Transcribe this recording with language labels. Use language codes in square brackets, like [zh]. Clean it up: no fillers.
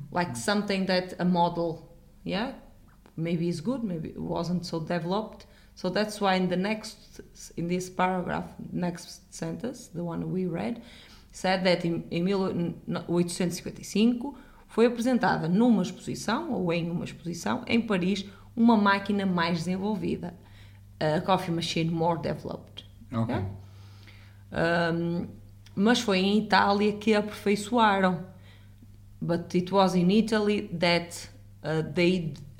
[en] Like something that a model, yeah? Maybe it's good, maybe it wasn't so developed. So that's why in the next, in this paragraph, next sentence, the one we read, said that in 1855 foi apresentada numa exposição, ou em uma exposição, em Paris, uma máquina mais desenvolvida. A coffee machine more developed. Ok. Yeah? [pt] Mas foi em Itália que a aperfeiçoaram. [en] But it was in Italy that they...